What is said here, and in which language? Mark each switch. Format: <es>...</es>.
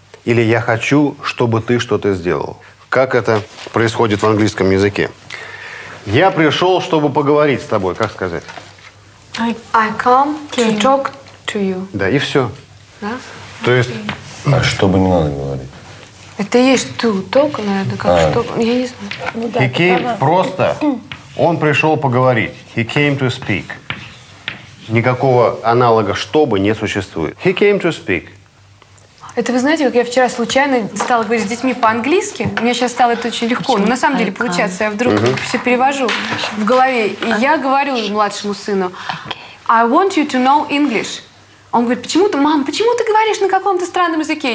<ru>Или я хочу, чтобы ты что-то сделал. Как это происходит в английском языке? Я пришел, чтобы поговорить с тобой. Как сказать?</ru> <en>I come to talk to you.</en> <ru>Да, и все. Да? То есть... А чтобы не надо говорить? Это и есть to talk, наверное, как что... Я не знаю.</ru> <en>He came просто...</en> <ru>Он пришел поговорить.</ru> <en>He came to speak.</en> <ru>Никакого аналога «чтобы» не существует.</ru> <en>He came to speak.</en> <ru>Это вы знаете, как я вчера случайно стала говорить с детьми по-английски. Мне сейчас стало это очень легко. Но на самом деле получается, я вдруг все перевожу в голове. И я говорю младшему сыну:</ru> <en>I want you to know English.</en> <ru>Он говорит: почему-то, мам, почему ты говоришь на каком-то странном языке?</ru>